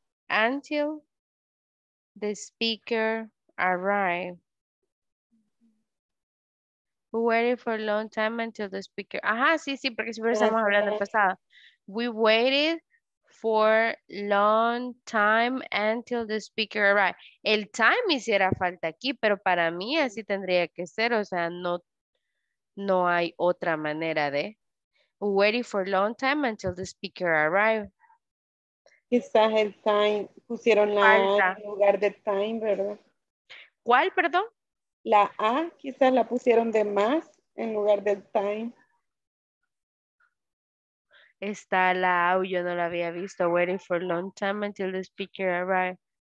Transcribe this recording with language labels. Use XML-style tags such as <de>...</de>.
<en>Until the speaker arrived. We waited for a long time until the speaker.</en> <es>Ajá, sí, sí, porque siempre estamos hablando pasado.</es> <en>We waited for a long time until the speaker arrived.</en> <es>El time hiciera falta aquí, pero para mí así tendría que ser. O sea, no hay otra manera de.</es> <en>We waited for a long time until the speaker arrived.</en> <es>Quizás el time, pusieron la falta. A en lugar de time, ¿verdad? ¿Cuál, perdón? La A, quizás la pusieron de más en lugar del time. Está la A, yo no la había visto.</es> <en>Waiting for a long time until the speaker arrived.</en>